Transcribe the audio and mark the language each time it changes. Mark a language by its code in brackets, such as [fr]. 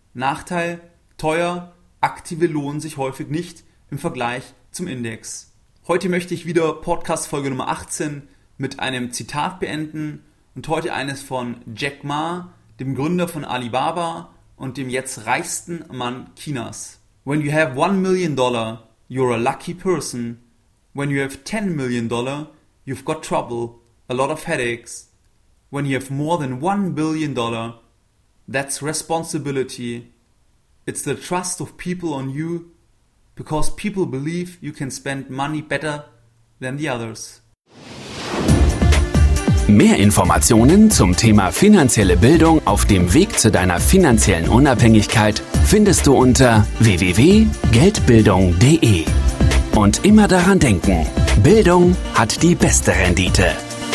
[de] Nachteil: teuer, aktive lohnen sich häufig nicht im Vergleich zum Index. Heute möchte ich wieder Podcast Folge Nummer 18 mit einem Zitat beenden und heute eines von Jack Ma, dem Gründer von Alibaba und dem jetzt reichsten Mann Chinas. [en] When you have $1 million, you're a lucky person. When you have $10 million, you've got trouble, a lot of headaches. When you have more than $1 billion, that's responsibility. It's the trust of people on you, because people believe you can spend money better than the others. [de] Mehr Informationen zum Thema finanzielle Bildung auf dem Weg zu deiner finanziellen Unabhängigkeit findest du unter www.geldbildung.de. Und immer daran denken, Bildung hat die beste Rendite.